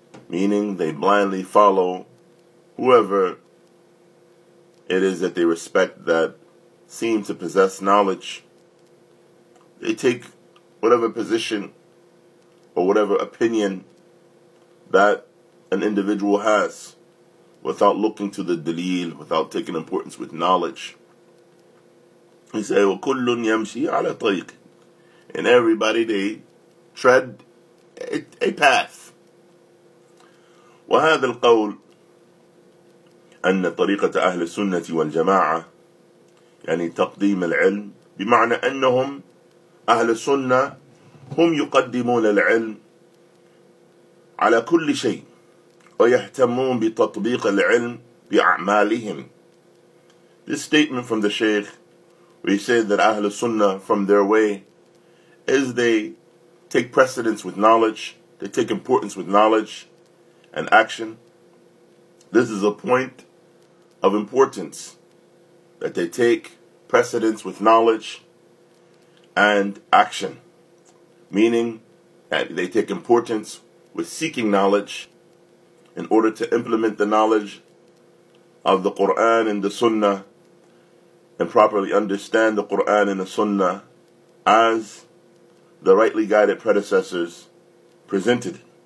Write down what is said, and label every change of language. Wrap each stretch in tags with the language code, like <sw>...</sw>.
<en>meaning they blindly follow whoever it is that they respect that seem to possess knowledge. They take whatever position or whatever opinion that an individual has without looking to the dalil, without taking importance with knowledge.</en> <ar>He said, وَكُلٌّ يَمْشِي عَلَى طَيْقٍ.</ar> <en>And everybody, they tread a path.</en> <ar>وَهَذَا الْقَوْلِ أن طريقة أهل السنة والجماعة يعني تقديم العلم، بمعنى أنهم أهل السنة هم يقدمون العلم على كل شيء، ويهتمون بتطبيق العلم بأعمالهم.</ar> <en>This statement from the Sheikh, where he said that Ahl Sunnah from their way is they take precedence with knowledge, they take importance with knowledge and action. This is a point of importance, that they take precedence with knowledge and action, meaning that they take importance with seeking knowledge in order to implement the knowledge of the Qur'an and the Sunnah, and properly understand the Qur'an and the Sunnah as the rightly guided predecessors presented.</en>